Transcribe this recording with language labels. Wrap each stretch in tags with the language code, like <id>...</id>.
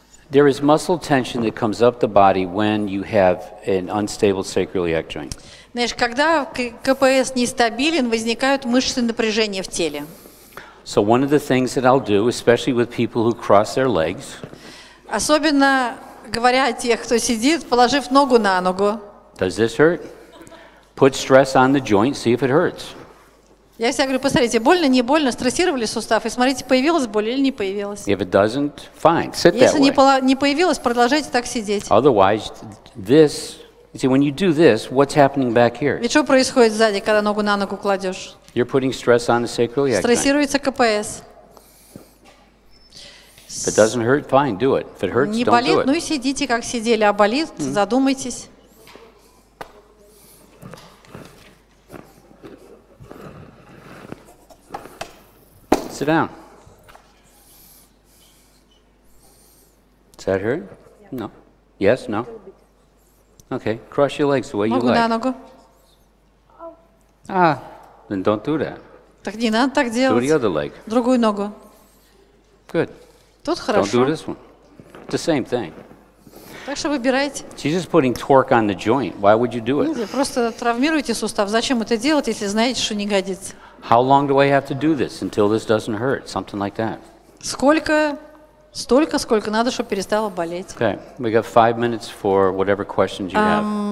<en>There is muscle tension that comes up the body when you have an unstable sacroiliac joint.</en> <ru>Знаешь, когда КПС нестабилен, возникают мышечные напряжения в теле.</ru> <en>So one of the things that I'll do, especially with people who cross their legs.</en> <ru>Особенно говоря о тех, кто сидит, положив ногу на ногу.</ru> <en>Does this hurt? Put stress on the joint, see if it hurts.</en> <ru>Я всегда говорю, посмотрите, больно, не больно, стрессировали сустав, и смотрите, появилась боль или не появилась.</ru> <en>If it doesn't, fine, sit that way.</en> <ru>Если не появилось, продолжайте так сидеть.</ru> <en>Otherwise, this, you see, when you do this, what's happening back here?</en> <ru>Ведь что происходит сзади, когда ногу на ногу кладешь?</ru> <en>You're putting stress on the sacral joint.</en> <ru>Стрессируется КПС.</ru> <en>If it doesn't hurt, fine, do it. If it hurts,</en> <ru>не</ru> <en>don't</en> <ru>болит,</ru> <en>do it.</en> <ru>Ну и сидите, как сидели, а болит, mm-hmm. задумайтесь.</ru> <en>Sit down. Does that hurt? Yeah. No. Yes, no. Okay, cross your legs the way</en> <ru>ногу</ru> <en>you like.</en> <ru>Ногу на ногу.</ru> <en>Ah, then don't do that.</en> <ru>Так не надо так делать.</ru> <en>Do the other leg.</en> <ru>Другую ногу.</ru> <en>Good.</en> <ru>Тут хорошо.</ru> <en>Don't do this one. It's the same thing.</en> <ru>Так что выбирайте.</ru> <en>She's just putting torque on the joint. Why would you do it?</en> <ru>Нет, просто травмируете сустав. Зачем это делать, если знаете, что не годится?</ru> <en>How long do I have to do this until this doesn't hurt? Something like that.</en> <ru>Сколько, столько, сколько надо, чтобы перестало болеть.</ru> <en>Okay, we got 5 minutes for whatever questions you have.</en>